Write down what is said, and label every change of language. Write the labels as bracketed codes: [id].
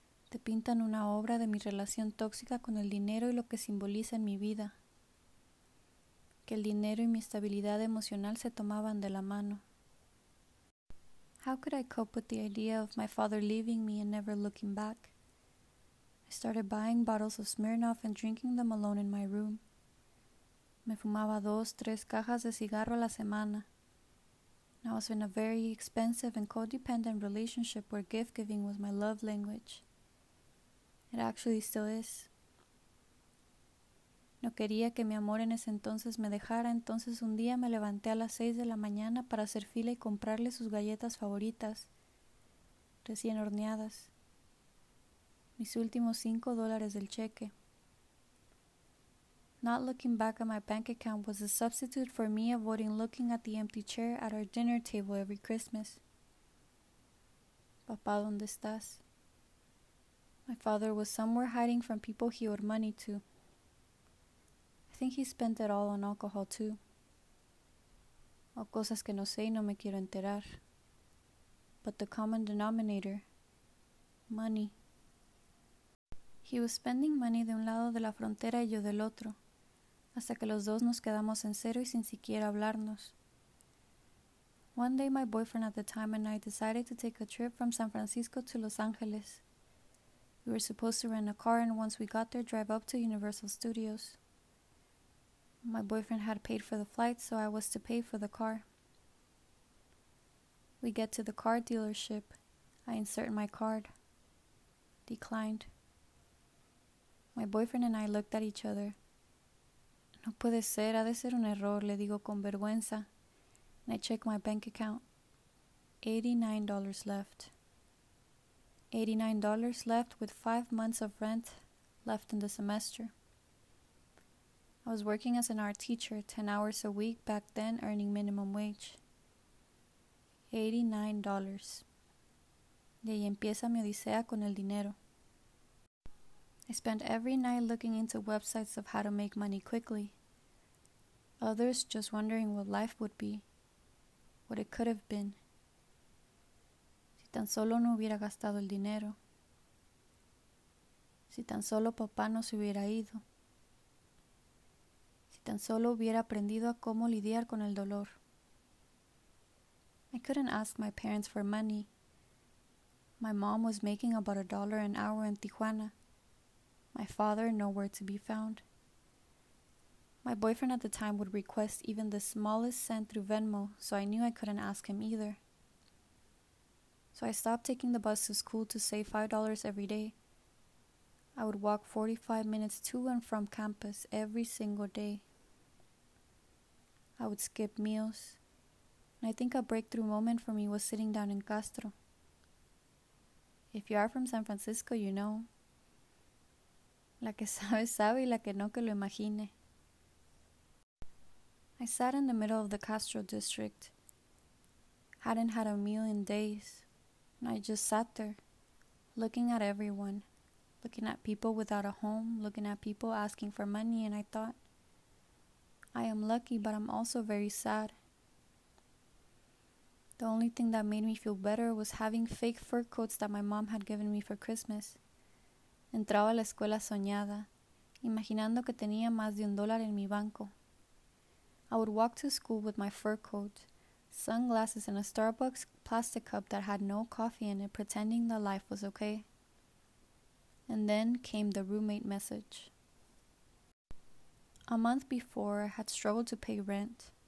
[es] Te pintan una obra de mi relación tóxica con el dinero y lo que simboliza en mi vida. Que el dinero y mi estabilidad emocional se tomaban de la mano. [en] How could I cope with the idea of my father leaving me and never looking back? I started buying bottles of Smirnoff and drinking them alone in my room. [es] Me fumaba dos, tres cajas de cigarro a la semana. [en] I was in a very expensive and codependent relationship where gift-giving was my love language. It actually still is. [es] No quería que mi amor en ese entonces me dejara, entonces un día me levanté a las 6 de la mañana para hacer fila y comprarle sus galletas favoritas, recién horneadas. Mis últimos $5 del cheque. [en] Not looking back at my bank account was a substitute for me avoiding looking at the empty chair at our dinner table every Christmas. [es] Papá, ¿dónde estás? [en] My father was somewhere hiding from people he owed money to. I think he spent it all on alcohol too. [es] O cosas que no sé y no me quiero enterar. [en] But the common denominator, money. He was spending money [es] de un lado de la frontera y yo del otro. hasta que los dos nos quedamos en cero y sin siquiera hablarnos. [en] One day my boyfriend at the time and I decided to take a trip from San Francisco to Los Angeles. We were supposed to rent a car and once we got there, drive up to Universal Studios. My boyfriend had paid for the flight, so I was to pay for the car. We get to the car dealership. I insert my card. Declined. My boyfriend and I looked at each other. [es] No puede ser, ha de ser un error, le digo con vergüenza. [en] And I check my bank account. $89 left. $89 left with 5 months of rent left in the semester. I was working as an art teacher, 10 hours a week back then, earning minimum wage. $89. [es] Y ahí empieza mi odisea con el dinero. [en] I spent every night looking into websites of how to make money quickly. Others just wondering what life would be, what it could have been. [es] Si tan solo no hubiera gastado el dinero. Si tan solo papá no se hubiera ido. Si tan solo hubiera aprendido a cómo lidiar con el dolor. [en] I couldn't ask my parents for money. My mom was making about $1 an hour in Tijuana. My father nowhere to be found. My boyfriend at the time would request even the smallest cent through Venmo, so I knew I couldn't ask him either. So I stopped taking the bus to school to save $5 every day. I would walk 45 minutes to and from campus every single day. I would skip meals. And I think a breakthrough moment for me was sitting down in Castro. If you are from San Francisco, you know. [es] La que sabe, sabe y la que no que lo imagine. [en] I sat in the middle of the Castro district. Hadn't had a meal in days. And I just sat there, looking at everyone. Looking at people without a home, looking at people asking for money, and I thought, I am lucky, but I'm also very sad. The only thing that made me feel better was having fake fur coats that my mom had given me for Christmas. [es] Entraba a la escuela soñada, imaginando que tenía más de $1 en mi banco. [en] I would walk to school with my fur coat, sunglasses, and a Starbucks plastic cup that had no coffee in it, pretending that life was okay. And then came the roommate message. A month before, I had struggled to pay rent.